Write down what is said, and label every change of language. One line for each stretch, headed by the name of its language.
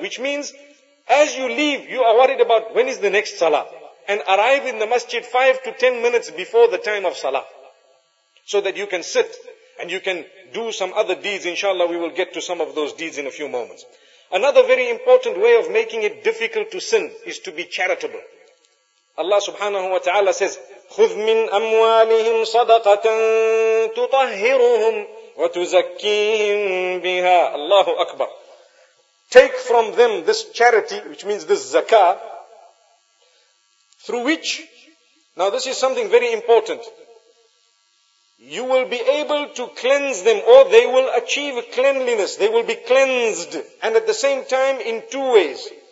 English: Which means, as you leave, you are worried about when is the next salah. And arrive in the masjid 5 to 10 minutes before the time of salah. So that you can sit and you can do some other deeds. Inshallah, we will get to some of those deeds in a few moments. Another very important way of making it difficult to sin is to be charitable.
Arabic: Allah subhanahu wa ta'ala says, خُذْ مِنْ أَمْوَالِهِمْ صَدَقَةً تُطَهِّرُهُمْ وَتُزَكِّيهِمْ بِهَا. Allahu Akbar.
English: Take from them this charity, which means this zakah, through which, now this is something very important. You will be able to cleanse them, or they will achieve cleanliness. They will be cleansed. And at the same time, in two ways.